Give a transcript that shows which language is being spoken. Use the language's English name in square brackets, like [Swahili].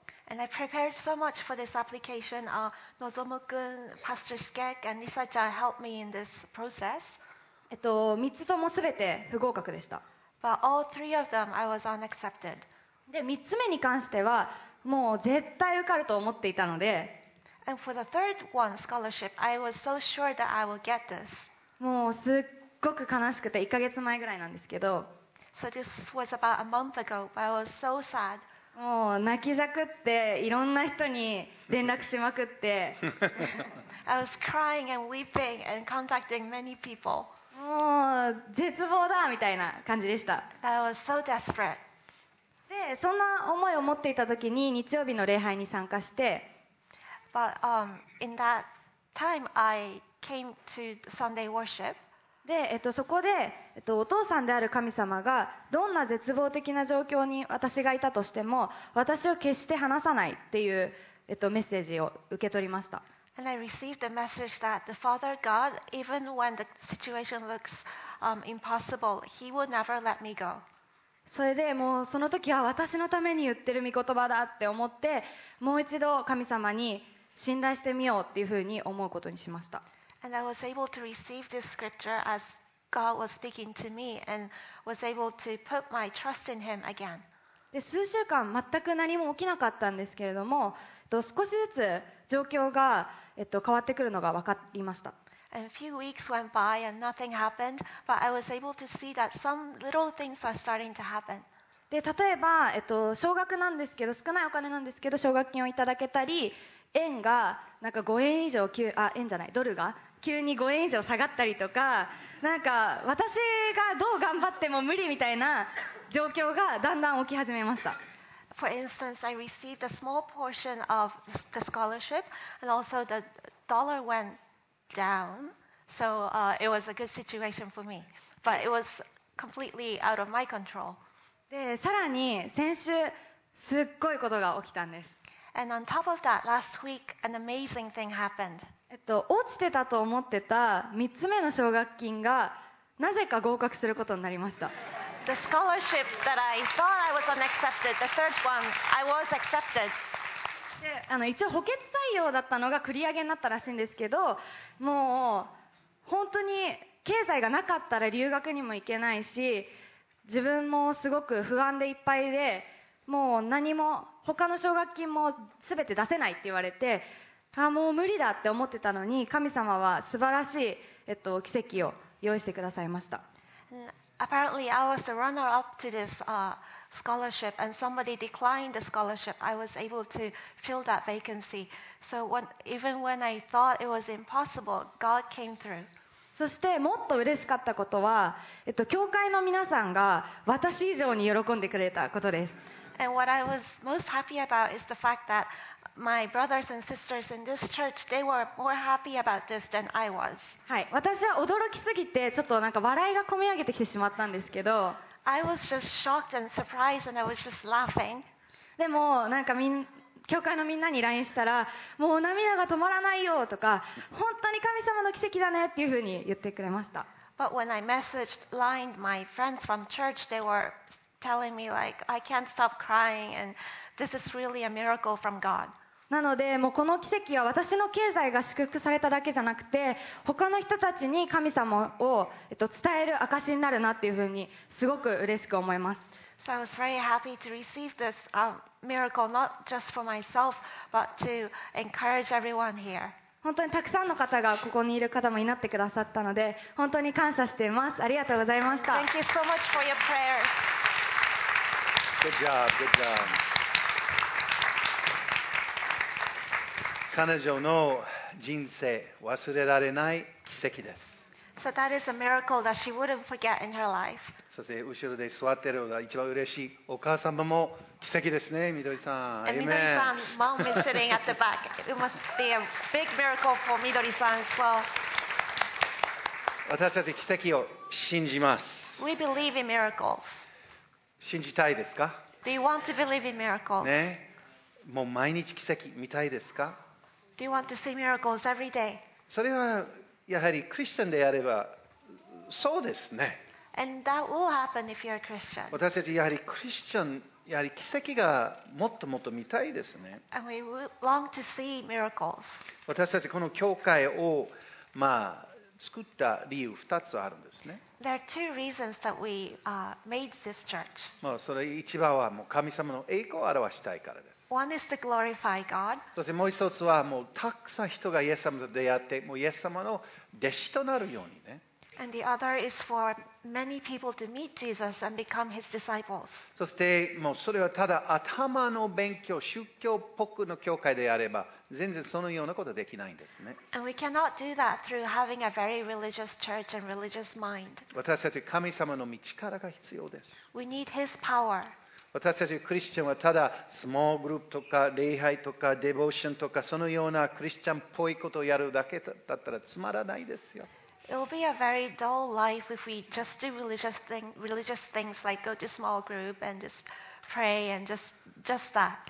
[English] And I prepared so much for this application. のぞむくん、パスタースケック、梨沙ちゃん helped me in this process. [Japanese] 3つともすべて不合格でした。 [English] But all three of them, I was unaccepted. [Japanese] で、3つ目に関してはもう絶対受かると思っていたので、 [English] And for the third one, scholarship, I was so sure that I will get this. [Japanese] もうすっごく悲しくて1ヶ月前ぐらいなんですけど、 [English] So this was about a month ago, but I was so sad. [Japanese] もう泣きじゃくっていろんな人に連絡しまくって [English] I was crying and weeping and contacting many people. [Japanese] もう絶望だみたいな感じでした。 [English] I was so desperate [Japanese] で、そんな思いを持っていた時に日曜日の礼拝に参加して、 [English] But, in that time, I came to Sunday worship. [Japanese] で、そこで、お父さんである神様がどんな絶望的な状況に私がいたとしても私を決して離さないっていう、メッセージを受け取りました。 [English] And I received a message that the Father God, even when the situation looks, impossible, He will never let me go. [Japanese] それでもうその時は私のために言ってる御言葉だって思って、もう一度神様に信頼してみようっていうふうに思うことにしました。 [English] And I was able to receive this scripture as God was speaking to me and was able to put my trust in Him again. [Japanese] で、数週間全く何も起きなかったんですけれども、少しずつ状況が、変わってくるのが分かりました。 [English] And a few weeks went by and nothing happened, but I was able to see that some little things are starting to happen. [Japanese] で、例えば、少額なんですけど、少ないお金なんですけど、奨学金をいただけたり、円がなんか5円以上、円じゃない、ドルが急に5円以上下がったりとか、なんか私がどう頑張っても無理みたいな状況がだんだん起き始めました。 [English] For instance, I received a small portion of the scholarship and also the dollar went. Down, so it was a good situation for me, but it was completely out of my control. [Japanese] で、さらに先週すっごいことが起きたんです。 [English] And on top of that, last week, an amazing thing happened. [Japanese] 落ちてたと思ってた三つ目の奨学金がなぜか合格することになりました。 [English] The scholarship that I thought I was unaccepted, the third one, I was accepted. [Japanese] で、一応補欠採用だったのが繰り上げになったらしいんですけど、もう本当に経済がなかったら留学にも行けないし、自分もすごく不安でいっぱいで、もう何も他の奨学金も全て出せないって言われて、あ、もう無理だって思ってたのに、神様は素晴らしい、奇跡を用意してくださいました。 [English] Apparently I was the runner up to this scholarship and somebody declined the scholarship. I was able to fill that vacancy. So even when I thought it was impossible, God came through. [Japanese] そしてもっと嬉しかったことは、教会の皆さんが私以上に喜んでくれたことです。 [English] And what I was most happy about is the fact that my brothers and sisters in this church, they were more happy about this than I was. [Japanese] はい、私は驚きすぎてちょっとなんか笑いがこみ上げてきてしまったんですけど。 [English] I was just shocked and surprised and I was just laughing. [Japanese] でもなんか教会のみんなに LINE したら、もう涙が止まらないよとか、本当に神様の奇跡だねっていうふうに言ってくれました。 [English] But when I messaged LINE my friends from church, they were telling me like, I can't stop crying and this is really a miracle from God. [Japanese] なので、もうこの奇跡は私の経済が祝福されただけじゃなくて、他の人たちに神様を伝える証になるなっていうふうにすごく嬉しく思います。 [English] So I was very happy to receive this miracle, not just for myself, but to encourage everyone here. [Japanese] 本当にたくさんの方がここにいる方も祈ってくださったので、本当に感謝しています。ありがとうございました。 [English] Thank you so much for your prayers. Good job, good job. [Japanese] 彼女の人生、忘れられない奇跡です。 [English] So that is a miracle that she wouldn't forget in her life. [Japanese] そして後ろで座ってるのが一番嬉しいお母様も奇跡ですね、みどりさん。 [English] And みどりさん、mom is sitting at the back. It must be a big miracle for みどりさん as well. [Japanese] 私たち奇跡を信じます。 [English] We believe in miracles. [Japanese] 信じたいですか？ [English] Do you want to believe in miracles? [Japanese] ね、もう毎日奇跡見たいですか？ [English] Do you want to see miracles every day? [Japanese] それはやはりクリスチャンであればそうですね。 [English] And that will happen if you're a Christian. [Japanese] 私たちやはりクリスチャン、やはり奇跡がもっともっと見たいですね。 [English] And we long to see miracles. [Japanese] 私たちこの教会を、まあ、作った理由2つあるんですね。 [English] There are two reasons that we made this church. [Japanese] もうそれ一番はもう神様の栄光を表したいからです。 [English] One is to glorify God. [Japanese] そしてもう一つはもうたくさん人がイエス様と出会ってもうイエス様の弟子となるようにね。 [English] And the other is for many people to meet Jesus and become his disciples. [Japanese] そしてもうそれはただ頭の勉強、宗教っぽくの教会であれば全然そのようなことはできないんですね。 [English] And we cannot do that through having a very religious church and religious mind. [Japanese] 私たち神様の道からが必要です。 [English] We need his power. [Japanese] 私たちクリスチャンはただスモールグループとか礼拝とかデボーションとかそのようなクリスチャンっぽいことをやるだけだったらつまらないですよ。 [English] It'll be a very dull life if we just do religious things like go to small group and just pray and just that.